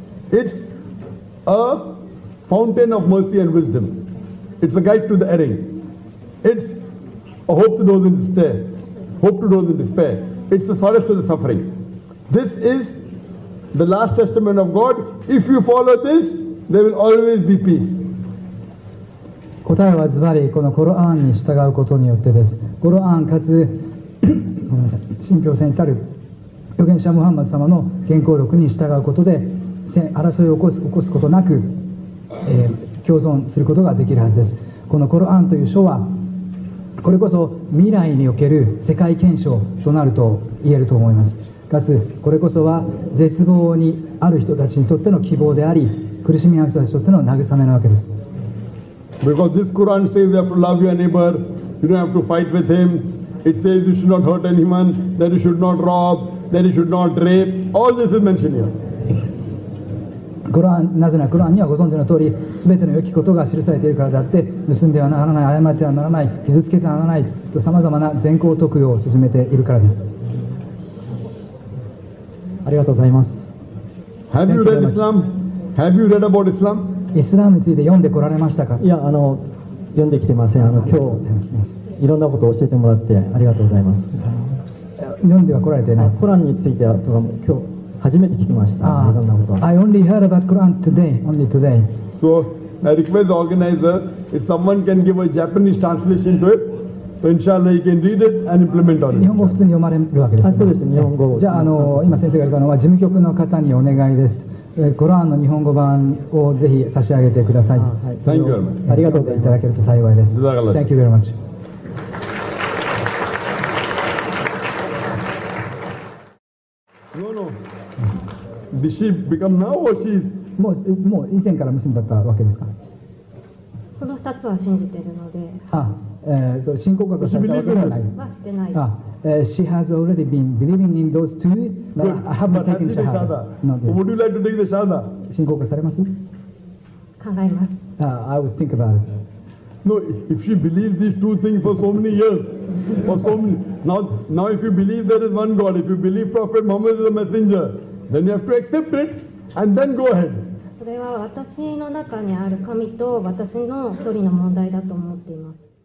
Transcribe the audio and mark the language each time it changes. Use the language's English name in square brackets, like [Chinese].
[English] It's a fountain of mercy and wisdom. It's a guide to the erring. It's a hope to those in despair. Hope to those in despair. It's the solace to the suffering. This is the last testament of God. If you follow this, there will always be peace. [Japanese] 答えはズバリこのコロアンに従うことによってです。コロアンかつ、ごめんなさい、信憑性に至る預言者ムハンマド様の原稿録に従うことで争いを起こすことなく、共存することができるはずです。このコロアンという書はこれこそ未来における世界憲章となると言えると思います。かつこれこそは絶望にある人たちにとっての希望であり、苦しみある人たちにとっての慰めなわけです。 [English] Because this Quran says you have to love your neighbor, you don't have to fight with him. It says you should not hurt anyone, that you should not rob, that you should not rape. All this is mentioned here. [Japanese] Quran, なぜなら Quran にはご存知の通り、すべての良きことが記されているからだって、盗んではならない、誤ってはならない、傷つけてはならないと様々な善行徳用を進めているからです。ありがとうございます。 [English] Have you read Islam? Have you read about Islam? [Japanese] イスラムについて読んでこられましたか。いや読んできてません。今日いろんなことを教えてもらってありがとうございます。読んではこられてない。コランについてはとかも今日初めて聞きました。いろんなことは [English] I only heard about Quran today. Only today. So I request the organizer, if someone can give a Japanese translation to it, so inshallah you can read it and implement on it. [Japanese] 日本語普通に読まれるわけですね。あ、そうですね、日本語。じゃあ、今先生が言ったのは、事務局の方にお願いです。コランの日本語版をぜひ差し上げてください。はい、 [English] Thank you very much. [Japanese] ありがとうございます。いただけると幸いです。 [English] Thank you very much. No, no. Did she become now or she... [Japanese] もう以前から娘だったわけですか。その2つは信じているので、信仰告白されたわけではない。はしてない。 [English] She has already been believing in those two. But I haven't taken shahada. Not yet. Would you like to take the shahada? [Japanese] 信仰告白されます？考えます。 [English] I would think about it. No, if she believes these two things for so many years, for so many, now if you believe there is one God, if you believe Prophet Muhammad is a messenger, then you have to accept it. And then go ahead. [Japanese] それは私の中にある神と私の距離の問題だと思っています。